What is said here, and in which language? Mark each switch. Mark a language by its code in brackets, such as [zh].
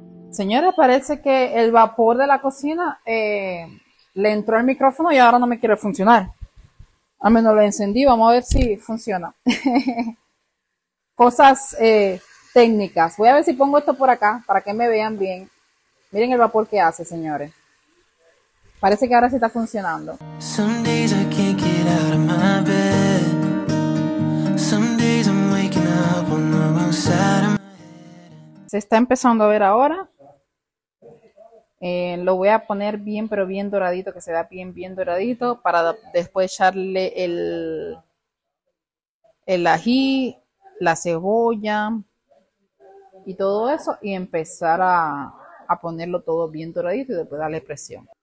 [es] Señora, parece que el vapor de la cocina le entró al micrófono y ahora no me quiere funcionar. Al menos lo encendí, vamos a ver si funciona. Cosas técnicas. Voy a ver si pongo esto por acá para que me vean bien. Miren el vapor que hace, señores. Parece que ahora sí está funcionando. [en] Some days I can't get out of my bed. Some days I'm waking up on the wrong side of my head. [es] Se está empezando a ver ahora. Lo voy a poner bien, pero bien doradito, que se vea bien, bien doradito, para después echarle el ají, la cebolla y todo eso, y empezar a ponerlo todo bien doradito y después darle presión.